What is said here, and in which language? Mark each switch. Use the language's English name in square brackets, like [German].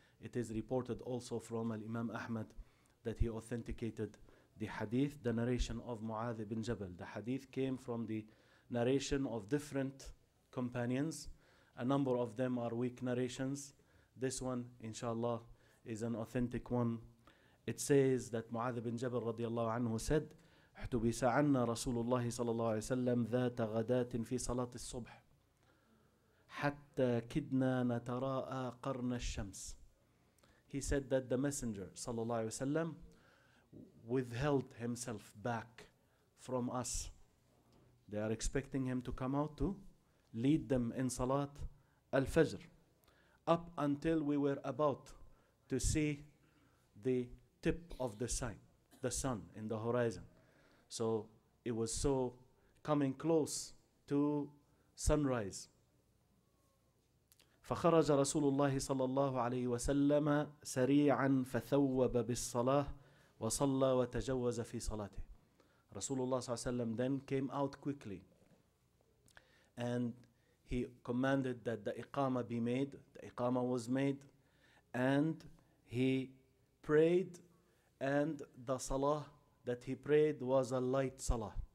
[English] It is reported also from Al-Imam Ahmad that he authenticated the hadith, the narration of Mu'adh ibn Jabal. The hadith came from the narration of different companions. A number of them are weak narrations. This one, inshallah, is an authentic one. It says that Mu'adh ibn Jabal radiallahu anhu said, [Arabic] احتبس عنا رسول الله صلى الله عليه وسلم ذات غداة في صلاة الصبح حتى كدنا نتراءى قرن الشمس. [English] He said that the messenger [Arabic] صلى الله عليه وسلم [English] withheld himself back from us. They are expecting him to come out to lead them in Salat al-Fajr, up until we were about to see the tip of the sign, the sun in the horizon. So it was so coming close to sunrise. [Arabic] فخرج رسول الله صلى الله عليه وسلم سريعا فثوب بالصلاة وصلى وتجوز في صلاته. رسول الله صلى الله عليه وسلم [English] then came out quickly, and he commanded that the iqama be made. The iqama was made, and he prayed, and the salah that he prayed was a light salah.